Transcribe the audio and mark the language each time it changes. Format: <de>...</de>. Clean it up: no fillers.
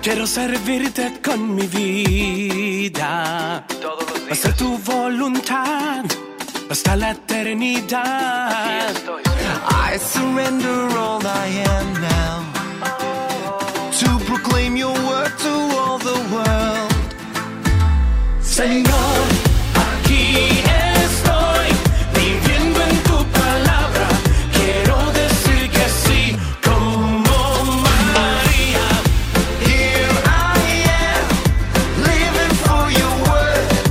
<es>Quiero servirte con mi vida. Hasta tu voluntad, hasta la eternidad.</es> <en>I surrender all I am now, to proclaim your word to all the world.</en> <es>Señor, aquí estoy, viviendo en tu palabra. Quiero decir que sí, como María.</es> <en>Here I am, living for your word.</en>